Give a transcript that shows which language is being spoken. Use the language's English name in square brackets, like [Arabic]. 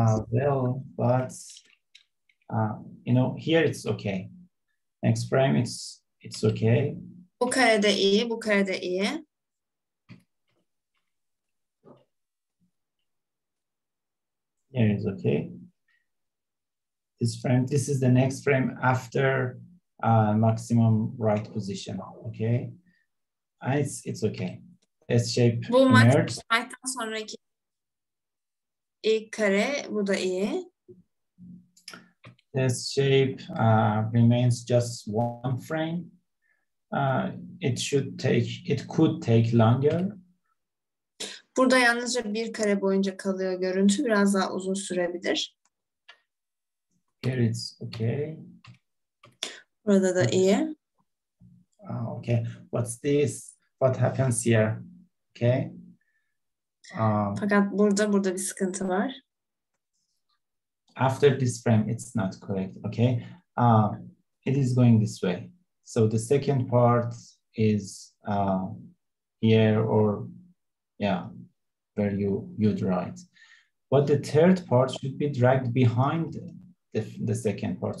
[English] Well, but you know, here it's okay. Next frame, it's okay. [Turkish] Bu kare de iyi, bu kare de iyi. [English] Here is okay. This frame, this is the next frame after maximum right position. Okay. It's okay. S shape [Turkish] bu Bu maximum right'tan sonraki ilk kare, bu da iyi. [English] S shape remains just one frame. It could take longer. [Turkish] Burada yalnızca bir kare boyunca kalıyor görüntü. Biraz daha uzun sürebilir. [English] Here it's okay. [Turkish] Burada da iyi. [English] Okay. What's this? What happens here? Okay. [Turkish] Fakat burada bir sıkıntı var. [English] After this frame, it's not correct. Okay. It is going this way. So the second part is here or where you'd write. But the third part should be dragged behind the second part.